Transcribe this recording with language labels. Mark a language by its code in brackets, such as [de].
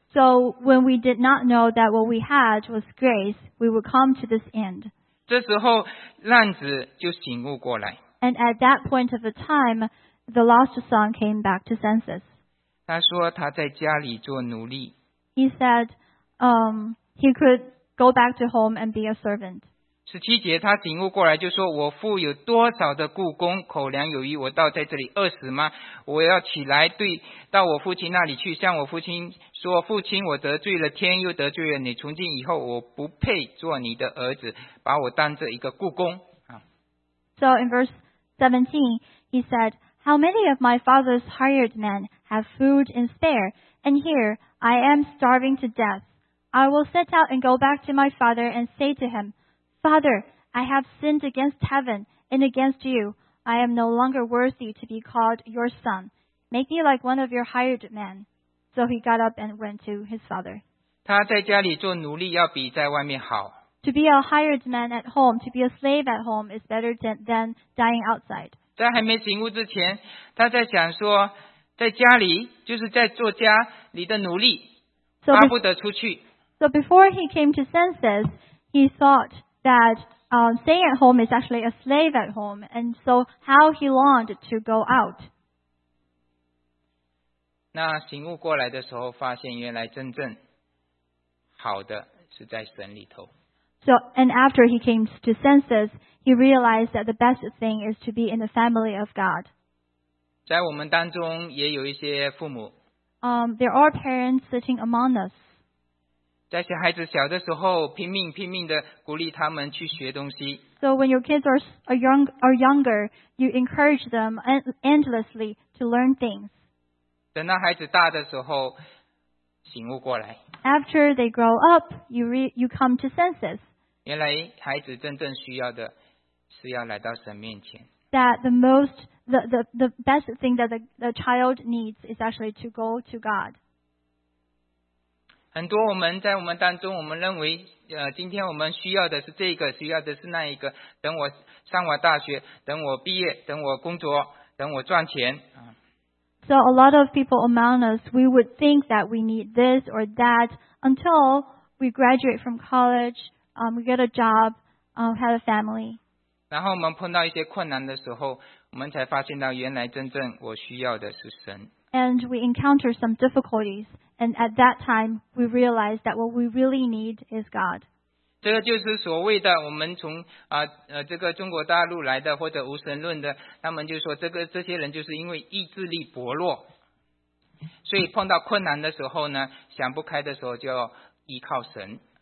[en] So when we did not know that what we had was grace, we would come to this end. [zh] 这时候浪子就醒悟过来。 [en] And at that point of the time, the lost son came back to senses. [zh] 他说他在家里做奴隶。 [en] He said, he could go back to home and be a servant. [zh] 十七节他醒悟过来就说我父有多少的雇工口粮有余我倒在这里饿死吗我要起来对到我父亲那里去向我父亲说父亲我得罪了天又得罪了你从今以后我不配做你的儿子把我当这一个雇工。 [en] So in verse 17, he said, how many of my father's hired men have food in spare? And here I am starving to death. I will set out and go back to my father and say to him, Father, I have sinned against heaven and against you. I am no longer worthy to be called your son. Make me like one of your hired men. So he got up and went to his father. [zh] 他在家里做奴隶要比在外面好。 [en] To be a hired man at home, to be a slave at home is better than dying outside. [zh] 在还没醒悟之前，他在想说，在家里，就是在做家里的奴隶，巴不得出去。 [en] So before he came to senses, he thought that staying at home is actually a slave at home, and so how he longed to go out. [zh] 那醒悟过来的时候，发现原来真正好的是在神里头。 [en] So, and after he came to senses, he realized that the best thing is to be in the family of God. [zh] 在我们当中也有一些父母。 [en] There are parents sitting among us. [zh] 在小孩子小的时候，拼命地鼓励他们去学东西。 [en] So when your kids are younger, you encourage them endlessly to learn things. [zh] 等到孩子大的时候，醒悟过来。 [en] After they grow up, you come to senses. [zh] 原来孩子真正需要的是要来到神面前。 [en] That the best thing that the child needs is actually to go to God. [zh] 很多我们在我们当中，我们认为，今天我们需要的是这个，需要的是那一个。等我上完大学，等我毕业，等我工作，等我赚钱。 [en] So a lot of people among us, we would think that we need this or that until we graduate from college, we get a job, have a family. [zh] 然后我们碰到一些困难的时候，我们才发现到原来真正我需要的是神。 [en] And we encounter some difficulties, and at that time, we realize that what we really need is God. [zh] 这个就是所谓的我们从这个中国大陆来的或者无神论的，他们就说这些人就是因为意志力薄弱，所以碰到困难的时候呢，想不开的时候就要依靠神。